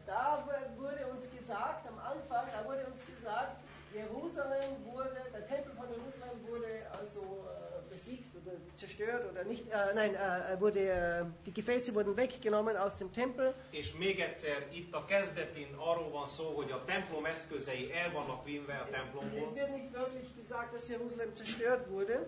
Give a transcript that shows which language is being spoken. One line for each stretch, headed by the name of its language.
German: Da wurde uns gesagt, am Anfang, da wurde uns gesagt, Jerusalem wurde, der Tempel von Jerusalem wurde also besiegt oder zerstört oder nicht, nein, wurde, die Gefäße wurden weggenommen aus dem Tempel.
Hungarian: És még egyszer, itt a kezdetén arról van szó, hogy a templom eszközei el vannak vinve a templomból.
German: Es wird nicht wirklich gesagt, dass Jerusalem zerstört wurde.